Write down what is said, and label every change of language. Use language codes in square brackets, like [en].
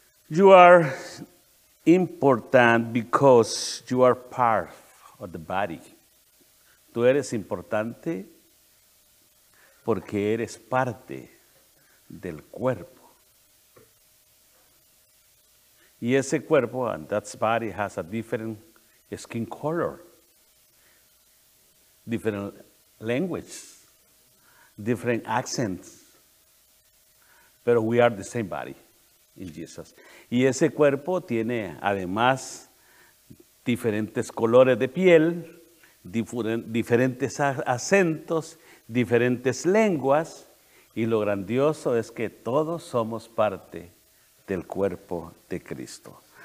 [en] You are important because you are part of the body. [es] Tú eres importante porque eres parte del cuerpo. Y ese cuerpo, [en] and that body, [es] has a different skin color, different language, different accents. [en] Pero we are the same body. In Jesus. [es] Y ese cuerpo tiene además diferentes colores de piel, diferentes acentos, diferentes lenguas, y lo grandioso es que todos somos parte del cuerpo de Cristo.